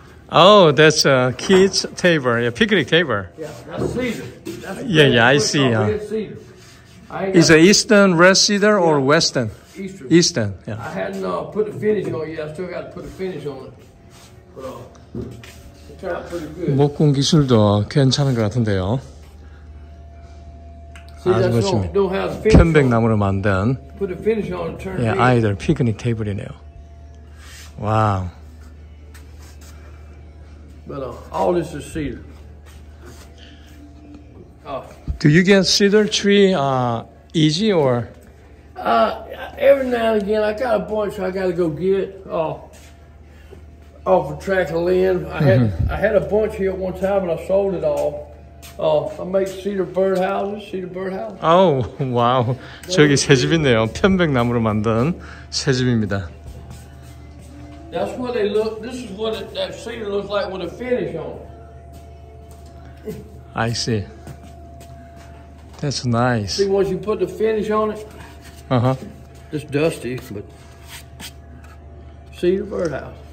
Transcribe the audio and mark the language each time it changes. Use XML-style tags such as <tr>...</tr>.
<en>Oh, that's a kids' table, a picnic table. Yeah, that's cedar. That's yeah, yeah, I see. Yeah. Is it eastern red cedar or yeah. western? Eastern. Eastern, yeah. I hadn't put the finish on it yet. I still got to put the finish on it. But,</en> <ko>목공 기술도 괜찮은 것 같은데요. 아주 멋집니다. 편백나무로 만든 예, 아이들 피크닉 테이블이네요. 와우.</ko> <en>But, all this is cedar. Do you get cedar tree easy or? Every now and again, I got a bunch I got to go get. Off a track of land. I had a bunch here one time and I sold it all. I make cedar birdhouses, cedar birdhouses. Oh, wow.</en> <ko>저기 새 집 있네요. 편백나무로 만든 새 집입니다.</ko> <en>That's what they look, this is what it, that cedar looks like with a finish on it. I see. That's nice. See, once you put the finish on it, uh-huh. it's dusty, but cedar birdhouse.</en>